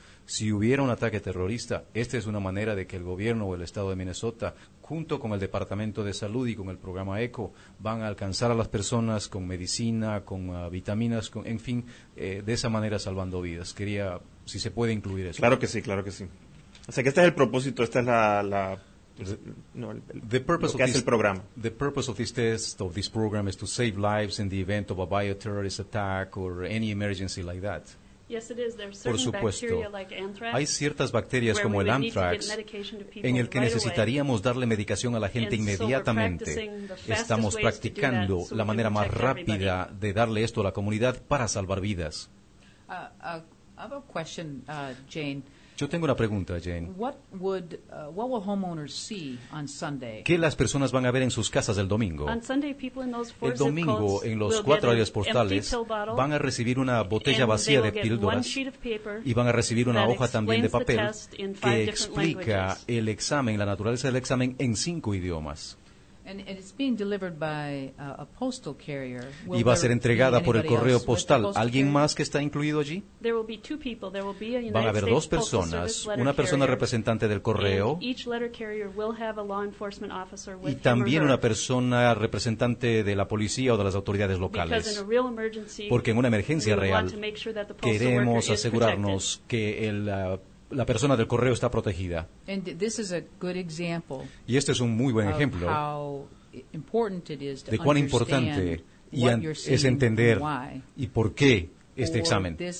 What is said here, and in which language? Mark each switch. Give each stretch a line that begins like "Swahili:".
Spanish: Si hubiera un ataque terrorista, esta es una manera de que el gobierno o el estado de Minnesota, junto con el Departamento de Salud y con el programa ECO, van a alcanzar a las personas con medicina, con vitaminas, en fin, de esa manera salvando vidas. Quería, si se puede incluir eso. Claro que sí, claro que sí. O sea, que este es el propósito, esta es la
English: The purpose of this test, of this program, is to save lives in the event of a bioterrorist attack or any emergency like that. Yes, it is. There are certain
Spanish: Por supuesto,
English: bacteria like anthrax,
Spanish: hay ciertas bacterias como el anthrax en el que necesitaríamos darle medicación a la gente inmediatamente. Estamos practicando la manera más rápida de darle esto a la comunidad para salvar vidas.
English: I have a question, Jane.
Spanish: Yo tengo una pregunta, Jane.
English: What will homeowners see on Sunday?
Spanish: ¿Qué las personas van a ver en sus casas el domingo?
English: On Sunday, people in those four
Spanish: el domingo, en los cuatro áreas postales, van a recibir una botella vacía de píldoras y van a recibir una hoja también de papel que explica el examen, la naturaleza del examen, en cinco idiomas.
English: And it's being delivered by a postal carrier.
Spanish: Y va a ser entregada por el correo postal. ¿Alguien más que está incluido allí?
English: There will be two people. There will be a United
Spanish: Van a haber dos personas, una persona representante del correo,
English: and each letter carrier will have a law enforcement officer with
Spanish: y también una persona representante de la policía o de las autoridades locales.
English: Because in a real emergency,
Spanish: porque en una emergencia real queremos asegurarnos que el la persona del correo está protegida.
English: And this is a good example.
Spanish: Y este es un muy buen ejemplo de cuán importante es entender y por qué este examen.